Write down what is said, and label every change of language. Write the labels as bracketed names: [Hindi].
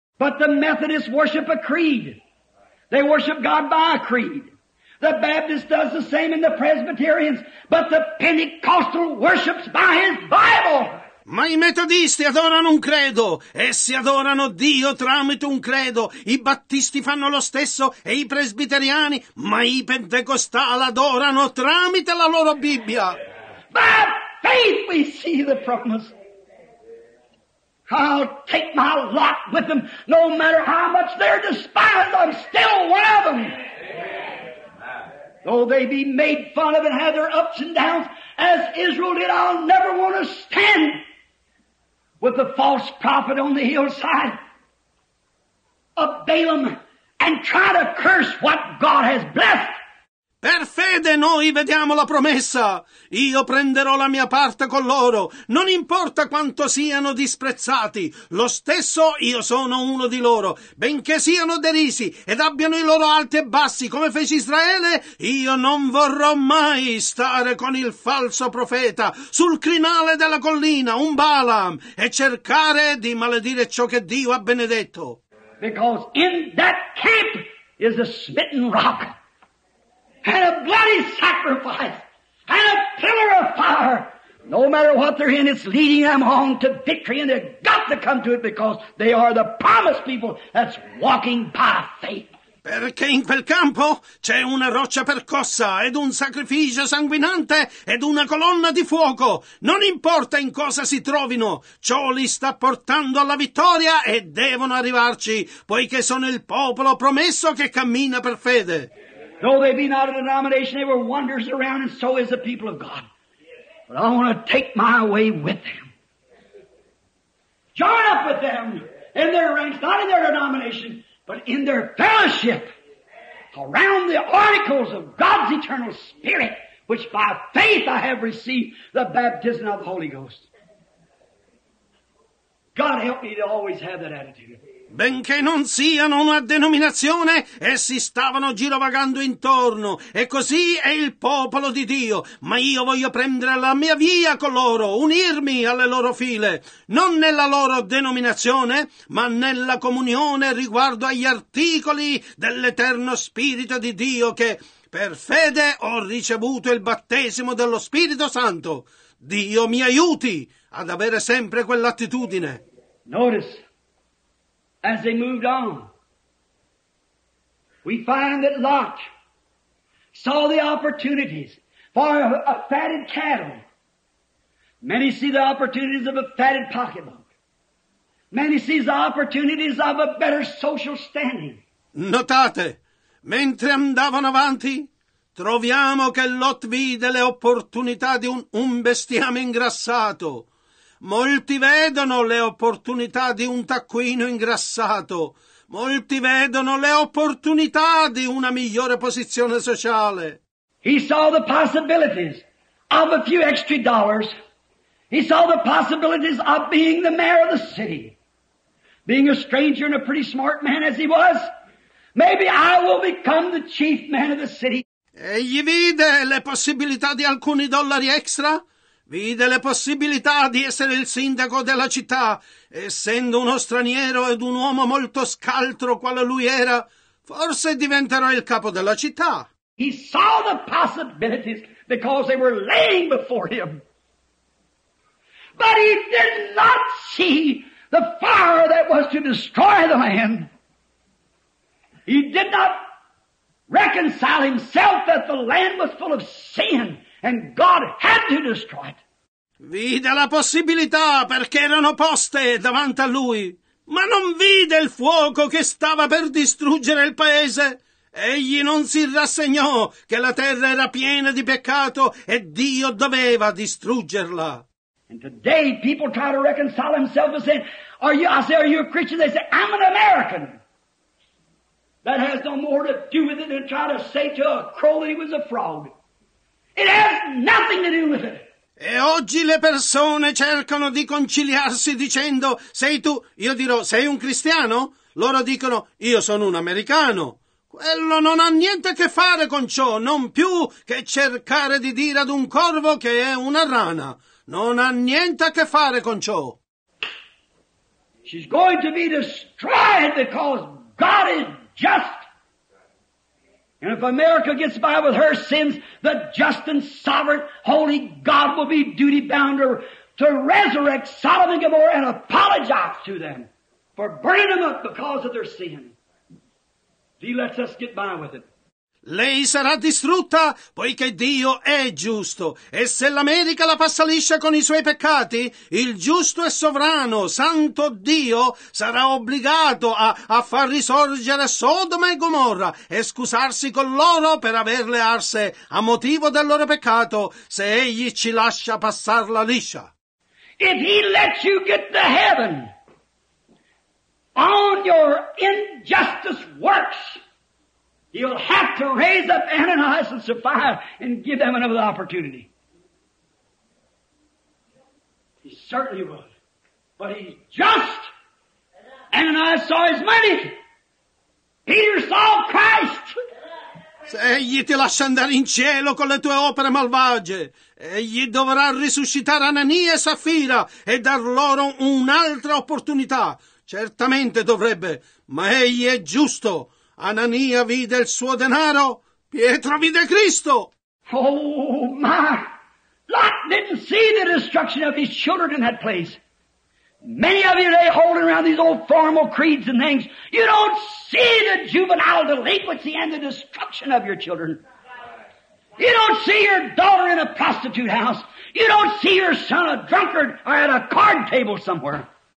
[English] But the Methodists worship a creed. They worship God by a creed. The Baptist does the same in the Presbyterians, but the Pentecostal worships by his Bible. [Italian] Ma i metodisti adorano un credo, essi adorano Dio tramite un credo, i battisti fanno lo stesso e i presbiteriani, ma i pentecostali adorano tramite la loro Bibbia. [English] By faith we see the promise. I'll take my lot with them, no matter how much they're despised, I'm still one of them. Though they be made fun of and have their ups and downs, as Israel did, I'll never want to stand with the false prophet on the hillside of Balaam and try to curse what God has blessed. [Italian] Per fede noi vediamo la promessa. Io prenderò la mia parte con loro. Non importa quanto siano disprezzati. Lo stesso io sono uno di loro. Benché siano derisi ed abbiano i loro alti e bassi come fece Israele, io non vorrò mai stare con il falso profeta sul crinale della collina, un Balaam, e cercare di maledire ciò che Dio ha benedetto. [English] Because in that camp is a smitten rock. And a bloody sacrifice, and a pillar of fire. No matter what they're in, it's leading them on to victory, and they've got to come to it because they are the promised people that's walking by faith. [Italian] Perché in quel campo c'è una roccia percossa, ed un sacrificio sanguinante, ed una colonna di fuoco. Non importa in cosa si trovino, ciò li sta portando alla vittoria, e devono arrivarci, poiché sono il popolo promesso che cammina per fede. [English] Though they be not a denomination, they were wanderers around, and so is the people of God. But I want to take my way with them. Join up with them in their ranks, not in their denomination, but in their fellowship around the articles of God's eternal Spirit, which by faith I have received the baptism of the Holy Ghost. God help me to always have that attitude. [Italian] Benché non siano una denominazione, essi stavano girovagando intorno, e così è il popolo di Dio. Ma io voglio prendere la mia via con loro, unirmi alle loro file, non nella loro denominazione, ma nella comunione riguardo agli articoli dell'Eterno Spirito di Dio, che per fede ho ricevuto il battesimo dello Spirito Santo. Dio mi aiuti ad avere sempre quell'attitudine. [English] Notice. As they moved on, we find that Lot saw the opportunities for a fatted cattle. Many see the opportunities of a fatted pocketbook. Many see the opportunities of a better social standing. [Italian] Notate, mentre andavano avanti, troviamo che Lot vide le opportunità di un bestiame ingrassato. Molti vedono le opportunità di un taccuino ingrassato. Molti vedono le opportunità di una migliore posizione sociale. [English] He saw the possibilities of a few extra dollars. He saw the possibilities of being the mayor of the city. Being a stranger and a pretty smart man as he was, maybe I will become the chief man of the city. [Italian] Egli vide le possibilità di alcuni dollari extra. Vide le possibilità di essere il sindaco della città, essendo uno straniero ed un uomo molto scaltro quale lui era, forse diventerò il capo della città. [English] He saw the possibilities because they were laying before him. But he did not see the fire that was to destroy the man. He did not reconcile himself that the land was full of sin and God had to destroy it. [Italian] Vide la possibilità perché erano poste davanti a lui, ma non vide il fuoco che stava per distruggere il paese Egli non si rassegnò che la terra era piena di peccato e Dio doveva distruggerla. [English] And today people try to reconcile themselves and say, are you a Christian? They say, I'm an American. That has no more to do with it than try to say to a crow that he was a frog. It has nothing to do with it. [Italian] E oggi le persone cercano di conciliarsi dicendo, sei tu, io dirò, sei un cristiano? Loro dicono, io sono un americano. Quello non ha niente a che fare con ciò, non più che cercare di dire ad un corvo che è una rana. Non ha niente a che fare con ciò. [English] She's going to be destroyed because God is just. And if America gets by with her sins, the just and sovereign, holy God will be duty-bound to resurrect Sodom and Gomorrah and apologize to them for burning them up because of their sin. He lets us get by with it. [Italian] Lei sarà distrutta poiché Dio è giusto. E se l'America la passa liscia con i suoi peccati, il giusto e sovrano, santo Dio, sarà obbligato a far risorgere Sodoma e Gomorra e scusarsi con loro per averle arse a motivo del loro peccato se egli ci lascia passarla liscia. [English] If he lets you get to heaven on your injustice works, you'll have to raise up Ananias and Sapphira and give them another opportunity. He certainly will. But he's just. Ananias saw his money. Peter saw Christ. [Italian] Se egli ti lascia andare in cielo con le tue opere malvagie, egli dovrà risuscitare Anania e Sapphira e dar loro un'altra opportunità. Certamente dovrebbe, ma egli è giusto. Anania vide il suo denaro, Pietro vide Cristo. [English] Oh, my! Lot didn't see the destruction of his children in that place. Many of you lay holding around these old formal creeds and things. You don't see the juvenile delinquency and the destruction of your children. You don't see your daughter in a prostitute house. You don't see your son a drunkard or at a card table somewhere.